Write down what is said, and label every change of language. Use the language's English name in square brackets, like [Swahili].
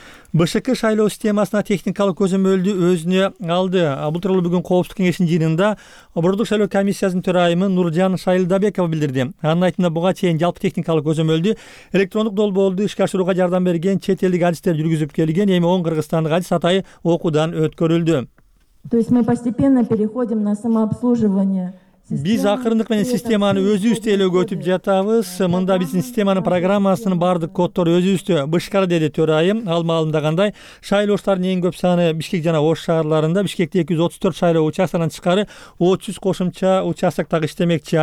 [Kyrgyz] БШК шайлоо системасына техникалык көзөмөлдү өзүнө алды. Бул тууралуу бүгүн Коопсуздук кеңештин жыйынында Бурундук шайлоо комиссиясынын төрайымы Нуржан Шайылдабеков билдирди. Анын айтымында буга чейин жалпы техникалык көзөмөлдү электрондук долбоорду ишке ашырууга жардам берген чет элдик адистер жүргүзүп келген, эми 10 кыргызстандык адис атайы окуудан өткөрүлдү. [Russian] То есть мы постепенно переходим на самообслуживание. [Kyrgyz] Биз акырындык менен системаны өзү иштөөгө өтүп жатабыз. Мында биздин системанын программасынын бардык коддору өзү иштөө, БШКда, деди төрайым. Ал маалымдагандай, шайлоочулардын эң көп саны Бишкек жана Ош шаарларында. Бишкекте 234 шайлоо участкасынан тышкары 300 кошумча участок дагы иштемекчи.